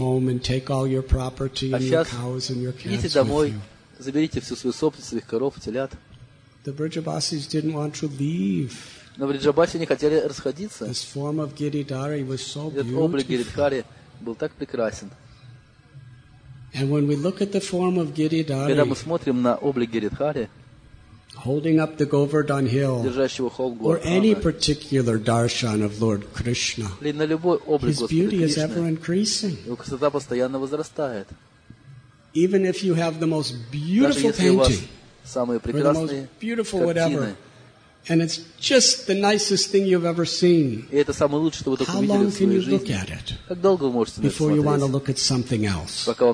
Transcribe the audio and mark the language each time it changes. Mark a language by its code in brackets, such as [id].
[en] Home and take all your property and your cows and your cats with you. [ru] Заберите всю свою собственность, своих коров, телят. [en] The Brijavasis didn't want to leave. [ru] Но Бриджабаси не хотели расходиться. [en] This form of Giridhari was so beautiful. [ru] Этот облик Гиридхари был так прекрасен. [en] And when we look at the form of Giridhari, [ru] когда мы смотрим на облик Гиридхари, [en] holding up the Govardhan hill, [ru] держащего холм Говардхана, [en] or any particular darshan of Lord Krishna, [ru] или на любой облик Господа Кришны, [en] his beauty is ever increasing. [ru] Его красота постоянно возрастает. [en] Even if you have the most beautiful painting, or the most beautiful whatever, and it's just the nicest thing you've ever seen, how long can you look at it before you want to look at something else?